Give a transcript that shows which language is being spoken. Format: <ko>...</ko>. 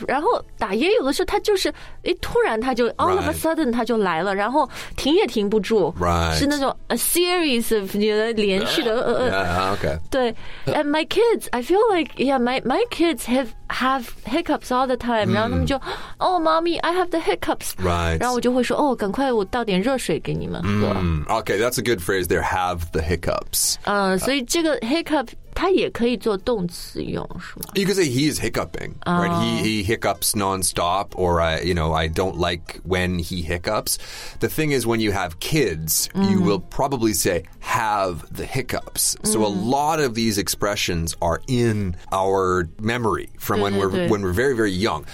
<zh>然后打噎有的时候它就是突然它就</zh> <en>all of a sudden</en> <zh>它就来了，然后停也停不住、</zh> <en>right.</en> <zh>是那种</zh> <en>a series of</en> <zh>你的连续的</zh> <en>okay. 对 and my kids I feel like yeah my kids have hiccups all the time、</en> <zh>然后他们就</zh> <en>oh mommy I have the hiccups、 right.</en> <zh>然后我就会说哦，赶快我倒点热水给你们喝、</zh> <en>okay that's a good phrase there have the hiccups、</en> <zh>所以这个 hiccup他也可以做动词用，是吗？</zh> <en>You could say he is hiccuping,、right? He hiccups nonstop, or I don't like when he hiccups. The thing is, when you have kids,、you will probably say, have the hiccups.、So a lot of these expressions are in our memory from when we're very, very young.</en>